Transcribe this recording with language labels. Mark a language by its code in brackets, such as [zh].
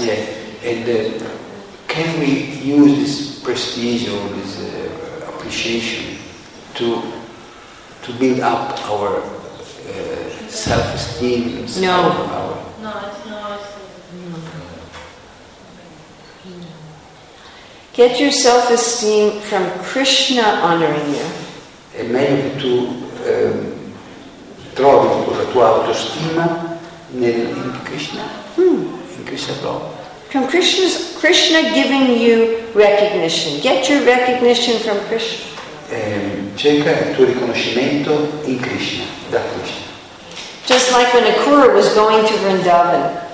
[en] Yeah. And can we use this prestige or this appreciation to build up our self-esteem? No. Get your self-esteem from Krishna honoring you. [it] È meglio che tu trovi la tua autostima in Krishna. In Krishna proprio. [en] From Krishna giving you recognition. Get your recognition from Krishna. [it] Cerca il tuo riconoscimento in Krishna, da Krishna. [en] Just like when Akura was going to Vrindavan.